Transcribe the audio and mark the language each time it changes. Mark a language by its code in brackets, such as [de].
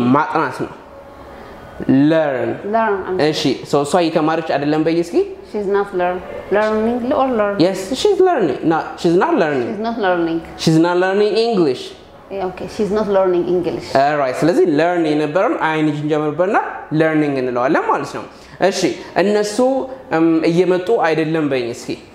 [am] ማጥናት ነው። Learn. እሺ so እሷ እየተማረች አይደለም በይ እስኪ? [en] She is not learning. Yes, she's not learning English. She's not learning English. [am] ስለዚህ learn የነበረውን አይንጅ እንጀምርበና learning እንለዋለን ማለት ነው። እሺ እነሱ እየመጡ አይደለም በይ እስኪ?